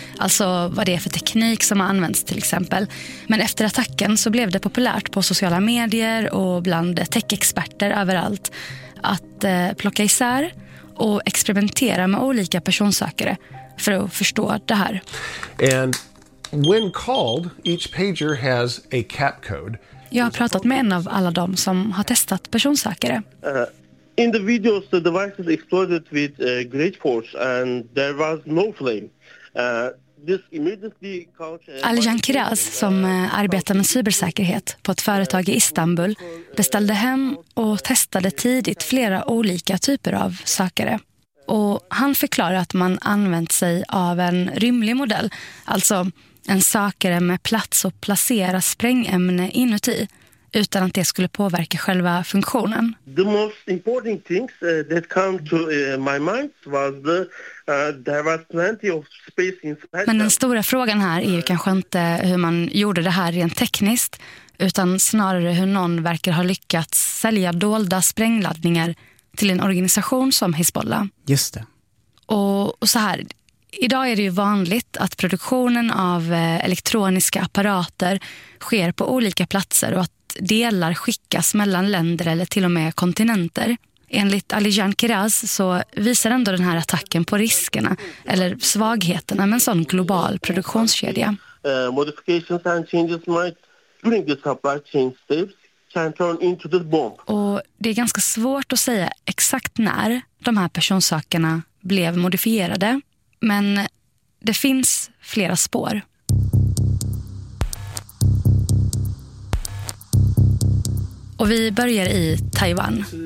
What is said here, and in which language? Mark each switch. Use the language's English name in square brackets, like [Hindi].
[Swedish] Alltså vad det är för teknik som har använts till exempel. Men efter attacken så blev det populärt på sociala medier och bland tech-experter överallt att plocka isär och experimentera med olika personsökare för att förstå det här. [English] And when called, each pager has a cap code. [Swedish] Jag har pratat med en av alla dem som har testat personsökare. [English] In the videos, the devices exploded with great force and there was no flame. [Swedish] Aljan Kiraz, som arbetar med cybersäkerhet på ett företag i Istanbul, beställde hem och testade tidigt flera olika typer av sökare. Och han förklarar att man använt sig av en rymlig modell, alltså en sökare med plats att placera sprängämne inuti, utan att det skulle påverka själva funktionen. [English] The most important things that come to my mind was the there was plenty of space inside. [Swedish] Men den stora frågan här är ju kanske inte hur man gjorde det här rent tekniskt, utan snarare hur någon verkar ha lyckats sälja dolda sprängladdningar till en organisation som Hezbollah. Just det. Och så här, idag är det ju vanligt att produktionen av elektroniska apparater sker på olika platser och att delar skickas mellan länder eller till och med kontinenter. Enligt Alijan Kiraz så visar ändå den här attacken på riskerna eller svagheterna med en sån global produktionskedja. [English] Modifications and changes might during the supply chain steps can turn into the bomb. [Swedish] Och det är ganska svårt att säga exakt när de här personsakerna blev modifierade, men det finns flera spår. Och vi börjar i Taiwan.